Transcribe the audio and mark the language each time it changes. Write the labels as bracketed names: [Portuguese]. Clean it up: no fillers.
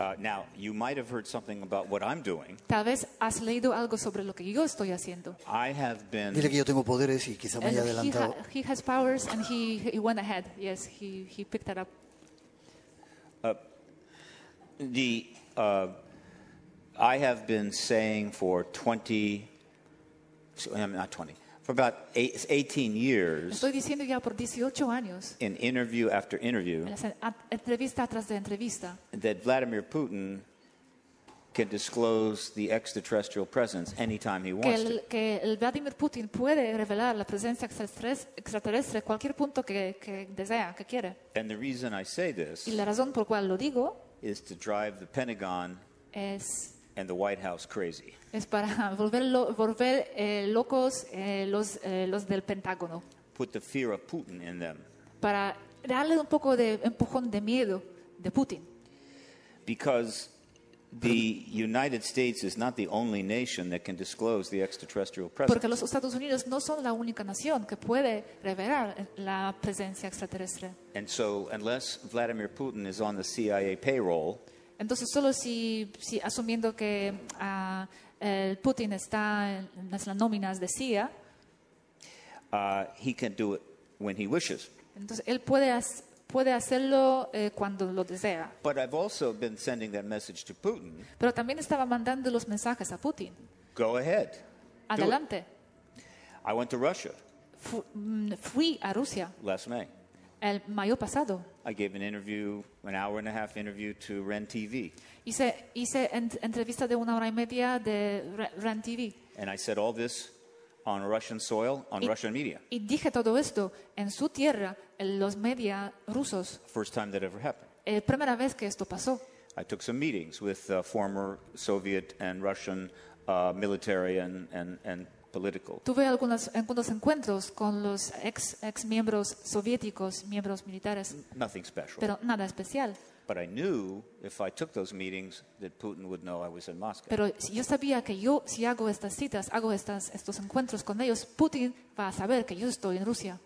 [English] Now, you might have heard something about what I'm doing. [Spanish] Tal vez has leído algo sobre lo que yo estoy haciendo. [English] I have been. [Spanish] Dile que yo tengo poderes y quizá me haya adelantado. [English] He has powers and he went ahead. Yes, he picked that up. I have been saying for 20. Not 20. For about 18 years. [Spanish] Estoy diciendo ya por 18 años. [English] In interview after interview. [Spanish] Entrevista tras de entrevista. [English] That Vladimir Putin can disclose the extraterrestrial presence anytime he wants. [Spanish] Que el Vladimir Putin puede revelar la presencia extraterrestre cualquier punto que desea, que quiere. [English] And the reason I say this. [Spanish] Y la razón por cual lo digo. [English] Is to drive the Pentagon and the White House crazy. [Spanish] Es para volver locos los del Pentágono. [English] Put the fear of Putin in them. [Spanish] Para darle un poco de empujón de miedo de Putin. [English] Because the United States is not the only nation that can disclose the extraterrestrial presence. [Spanish] Porque los Estados Unidos no son la única nación que puede revelar la presencia extraterrestre. [English] And so, unless Vladimir Putin is on the CIA payroll, [Spanish] entonces solo si asumiendo que el Putin está en las nóminas de CIA, [English] he can do it when he wishes. [Spanish] Entonces él puede hacerlo cuando lo desea. [English] But I've also been sending that message to Putin. [Spanish] Pero también estaba mandando los mensajes a Putin. [English] Go ahead. [Spanish] Adelante. [English] I went to Russia. [Spanish] Fui a Rusia. [English] Last May. [Spanish] El mayo pasado. [English] I gave an interview, an hour and a half interview to Ren TV. [Spanish] Hice entrevista de una hora y media de Ren TV. [English] And I said all this on Russian soil, on Russian media. [Spanish] Y dije todo esto en su tierra, en los media rusos. [English] First time that ever happened. [Spanish] La primera vez que esto pasó. [English] I took some meetings with former Soviet and Russian military and political. [Spanish] Tuve algunos encuentros con los ex miembros soviéticos, miembros militares. [English] Nothing special. [Spanish] Pero nada especial. [English] But I knew if I took those meetings that Putin would know I was in Moscow. [Spanish] Pero yo sabía que yo si hago estas citas, hago estos encuentros con ellos, Putin va a saber que yo estoy en Rusia.